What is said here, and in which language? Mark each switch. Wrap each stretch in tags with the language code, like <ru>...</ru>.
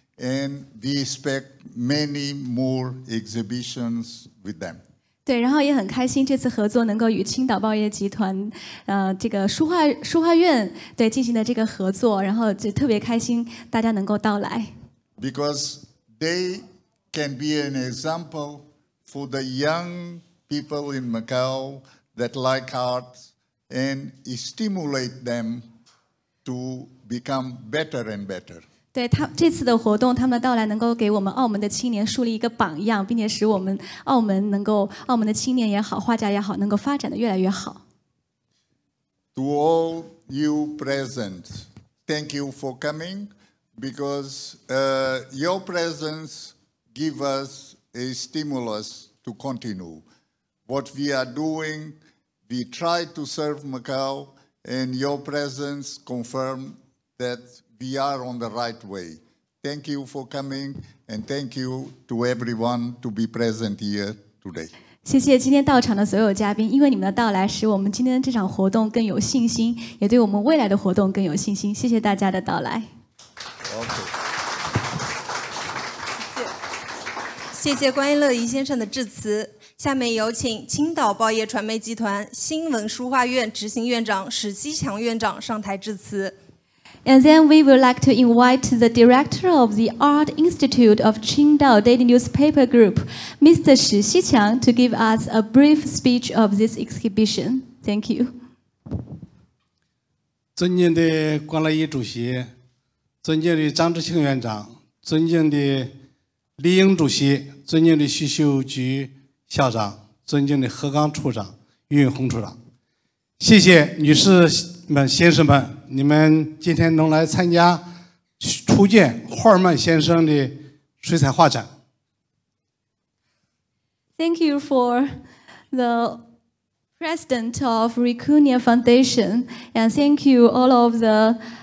<en>And we expect many more exhibitions with them.</en> <zh>对，然后也很开心这次合作能够与青岛报业集团这个书画院对进行的这个合作，然后就特别开心大家能够到来。</zh> <en>Because they can be an example for the young people in Macau that like art and stimulate them to become better and better.</en> <zh>对，他这次的活动，他们的到来能够给我们澳门的青年树立一个榜样，并且使我们澳门的青年也好，画家也好，能够发展的越来越好。</zh> <en>To all you present, thank you for coming because your presence give us a stimulus to continue. What we are doing, we try to serve Macau, and your presence confirms that we are on the right way. Thank you for coming, and thank you to everyone to be present here today.</en> <zh>谢谢今天到场的所有嘉宾，因为你们的到来，使我们今天这场活动更有信心，也对我们未来的活动更有信心。谢谢大家的到来。</zh> <en>Okay.</en> <zh>谢谢观音乐仪先生的致辞。下面有请青岛报业传媒集团新闻书画院执行院长史希强院长上台致辞。</zh> <en>And then we would like to invite the director of the Art Institute of Qingdao Daily Newspaper Group, Mr. 史希强, to give us a brief speech of this exhibition. Thank you.</en> <zh>尊敬的观乐艺主席，尊敬的张志庆院长，尊敬的李英主席，尊敬的徐秀菊校长，尊敬的何刚处长、于永红处长，谢谢女士们、先生们，你们今天能来参加初见霍尔曼先生的水彩画展。</zh> <en>Thank you for the president of Ricunia Foundation, and thank you all of the</en>